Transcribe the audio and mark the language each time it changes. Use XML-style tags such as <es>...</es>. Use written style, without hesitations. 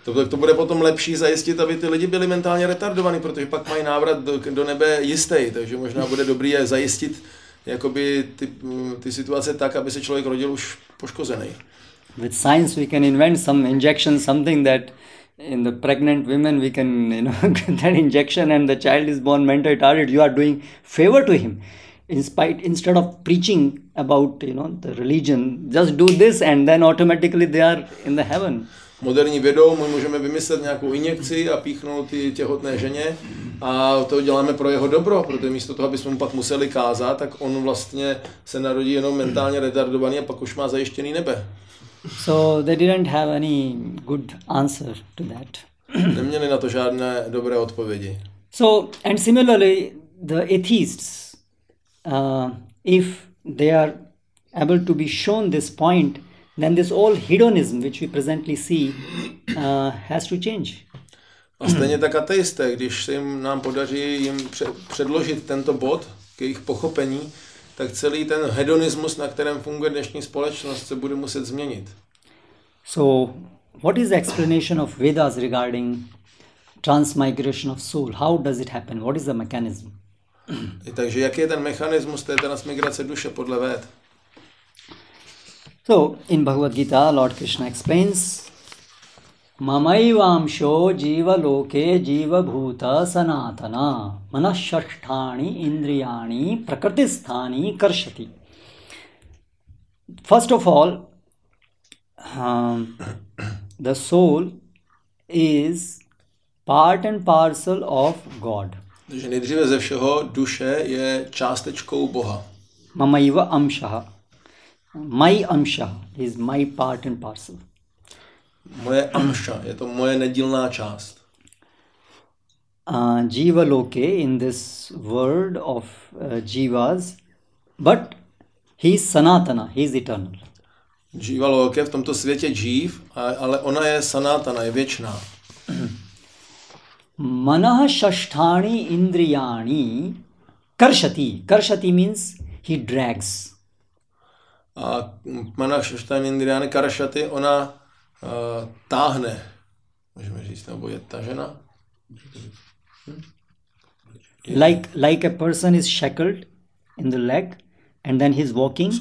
<cs>To bude potom lepší zajistit, aby ty lidi byli mentálně retardovaní, protože pak mají návrat do nebe jistý, takže možná bude dobrý je zajistit jakoby ty situace tak, aby se člověk rodil už poškozený.</cs> <en>With science we can invent some injection, something that in the pregnant women we can, you know, get that injection and the child is born mentally retarded. You are doing favor to him, instead of preaching about, you know, the religion, just do this and then automatically they are in the heaven.</en> <cs>Moderní vědou my můžeme vymyslet nějakou injekci a píchnout ty těhotné ženě a to děláme pro jeho dobro, protože místo toho, aby jsme mu pak museli kázat, tak on vlastně se narodí jenom mentálně retardovaný a pak už má zajištěný nebe.</cs> <en>So they didn't have any good answer to that.</en> <cs>Neměli na to žádné dobré odpovědi.</cs> <en>So and similarly the atheists, if they are able to be shown this point, then this all hedonism which we presently see has to change.</en> <cs>A stejně tak ateisté, když se jim nám podaří jim předložit tento bod k jejich pochopení, tak celý ten hedonismus, na kterém funguje dnešní společnost, se bude muset změnit.</cs> <en>So what is the explanation of Vedas regarding transmigration of soul? How does it happen? What is the mechanism?</en> <cs>Takže jaký je ten mechanismus té transmigrace duše podle Véd?</cs> <en>So in Bhagavad Gita Lord Krishna explains</en> <sa>Mamaivamsho jiva loke jiva bhuta sanatana manashashthani indriyani prakritisthani karshati.</sa> <en>First of all, the soul is part and parcel of God.</en> <cs>Takže nejdříve ze všeho duše je částečkou Boha.</cs> <sa>Mamaiva amshah.</sa> <en>My amshah is my part and parcel.</en> <cs>Moje amsha, je to moje nedílná část.</cs> <sa>Jiva loke</sa> <en>in this world of jivas, but he is sanatana, he is eternal.</en> <sa>Jiva loke</sa> <cs>v tomto světě jiv, ale ona je sanatana, je věčná.</cs> <sa>Manah shashthani indriyani karshati.</sa> <en>Karshati means he drags.</en> <cs>A</cs> <sa>manah shashthani indriyani karshati,</sa> <cs>ona táhne, můžeme říct, nebo je tažena.</cs> <en>Like a person is shackled in the leg and then he's walking.</en>